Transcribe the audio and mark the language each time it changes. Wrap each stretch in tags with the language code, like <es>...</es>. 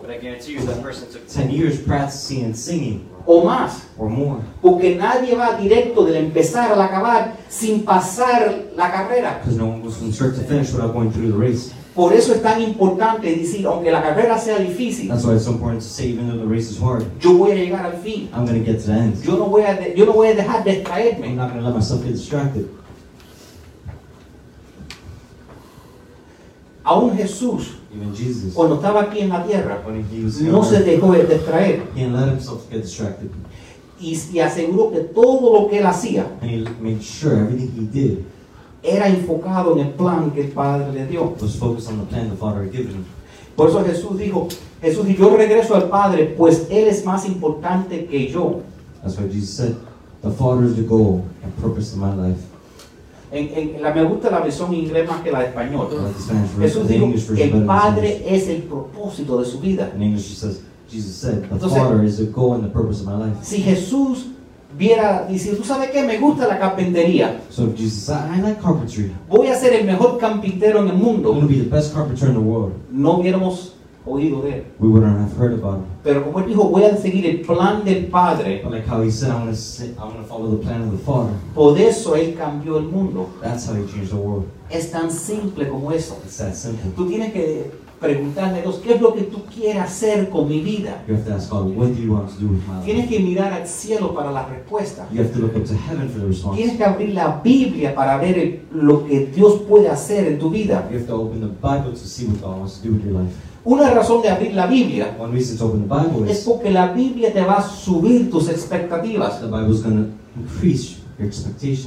<en>But I guarantee you that person took 10 years practicing and singing.</en> <es>O más.</es> <en>Or more.</en> <es>Porque nadie va directo del empezar al acabar sin pasar la carrera.</es> <en>Because no one goes from start to finish without going through the race.</en> <es>Por eso es tan importante decir, aunque la carrera sea difícil,</es> <en>that's why it's so important to say, even though the race is hard,</en> <es>yo voy a llegar al fin.</es> <en>I'm going to get to the end.</en> <es>Yo no voy a dejar de distraerme.</es> <en>I'm not going to let myself get distracted.</en> <es>Aún Jesús,</es> <en>even Jesus,</en> <es>cuando estaba aquí en la tierra,</es> <en>when he</en> <es>was no se dejó de distraer.</es> <en>He didn't let himself get distracted.</en> <es>Y aseguró que todo lo que él hacía,</es> <en>and he made sure everything he did,</en> <es>era enfocado en el plan que el Padre le dio.</es> <en>Was focused on the plan the Father had given him.</en> <es>Por eso Jesús dijo, yo regreso al Padre, pues Él es más importante que yo.</es> <en>That's why Jesus said, the Father is the goal and purpose of my life.</en> <es>Me gusta la versión en inglés más que la de español.</es> <en>Like</en> <es>Jesús dijo, el Padre es el propósito de su vida.</es> <en>In English, Jesus said, the Entonces, Father is the goal and the purpose of my life.</en> <es>Si Jesús viera, dice, ¿tú sabes qué? Me gusta la carpintería.</es> <en>So Jesus said, I like carpentry.</en> <es>Voy a ser el mejor carpintero en el mundo.</es> <en>I'm going to be the best carpenter in the world.</en> <es>No hubiéramos oído de él.</es> <en>We wouldn't have heard about him.</en> <es>Pero como él dijo, voy a seguir el plan del Padre.</es> <en>But like how he said, I'm going to follow the plan of the Father.</en> <es>Por eso él cambió el mundo.</es> <en>That's how he changed the world.</en> <es>Es tan simple como eso.</es> <en>It's that simple.</en> <es>Tú tienes que preguntarle a Dios, ¿qué es lo que tú quieres hacer con mi vida?</es> <en>You have to ask God, what do you want to do with my life?</en> <es>Tienes que mirar al cielo para la respuesta.</es> <en>You have to look up to heaven for the response.</en> <es>Tienes que abrir la Biblia para ver lo que Dios puede hacer en tu vida.</es> <en>You have to open the Bible to see what God wants to do with your life.</en> <es>Una razón de abrir la Biblia,</es> <en>one reason to open the Bible,</en> <es>es porque la Biblia te va a subir tus expectativas.</es> <en>The Bible is going to increase your expectations.</en>